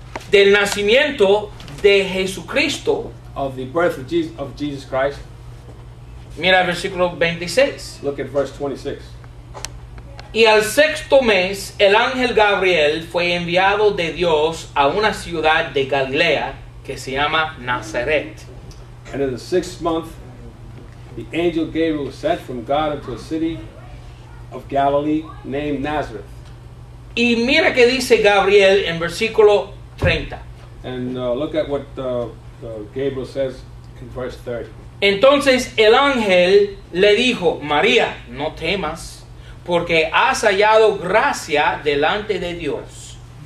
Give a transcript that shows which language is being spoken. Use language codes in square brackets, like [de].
[es] del nacimiento de Jesucristo. [en] Of the birth of Jesus Christ. [es] Mira versículo 26. [en] Look at verse 26. [es] Y al sexto mes, el ángel Gabriel fue enviado de Dios a una ciudad de Galilea que se llama Nazaret. [en] And in the sixth month, the angel Gabriel was sent from God into a city of Galilee named Nazareth. [es] Y mira que dice Gabriel en versículo 30. [en] And look at what Gabriel says in verse 30. [es] Entonces el ángel le dijo, María, no temas, porque has hallado gracia delante de Dios.